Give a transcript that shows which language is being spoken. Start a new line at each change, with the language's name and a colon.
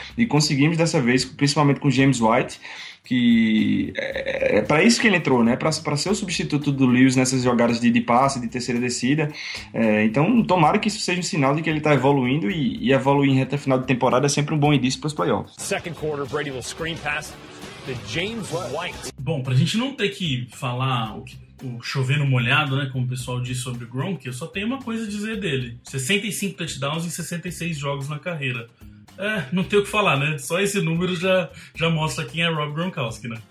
Portuguese: E conseguimos dessa vez, principalmente com James White, que é para isso que ele entrou, né? Para ser o substituto do Lewis nessas jogadas de passe, de terceira descida. É, então, tomara que isso seja um sinal de que ele está evoluindo, e evoluir em reta final de temporada é sempre um bom indício para os playoffs.
English: Second quarter, Brady will screen pass to James White.
Portuguese: Bom, para a gente não ter que falar o chover no molhado, né? Como o pessoal diz sobre o Gronk, eu só tenho uma coisa a dizer dele: 65 touchdowns em 66 jogos na carreira. É, não tem o que falar, né? Só esse número já mostra quem é Rob Gronkowski, né?